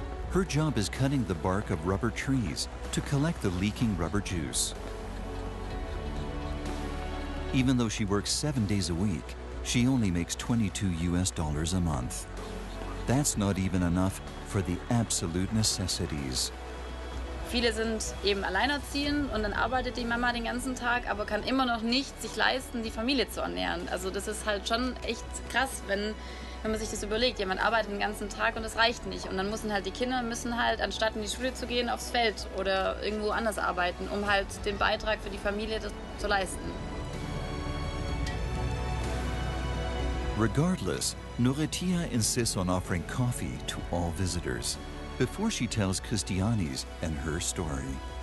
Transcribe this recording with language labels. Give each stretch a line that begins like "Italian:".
English: Her job is cutting the bark of rubber trees to collect the leaking rubber juice. Even though she works 7 days a week, she only makes $22 a month. That's not even enough for the absolute necessities.
German: Viele sind eben alleinerziehend und dann arbeitet die Mama den ganzen Tag, aber kann immer noch nicht sich leisten, die Familie zu ernähren. Also das ist halt schon echt krass, wenn man sich das überlegt. Jemand arbeitet den ganzen Tag und es reicht nicht. Und dann müssen halt die Kinder, müssen halt, anstatt in die Schule zu gehen, aufs Feld oder irgendwo anders arbeiten, um halt den Beitrag für die Familie zu leisten.
English: Regardless, Nuritia insists on offering coffee to all visitors before she tells Christiani's and her story.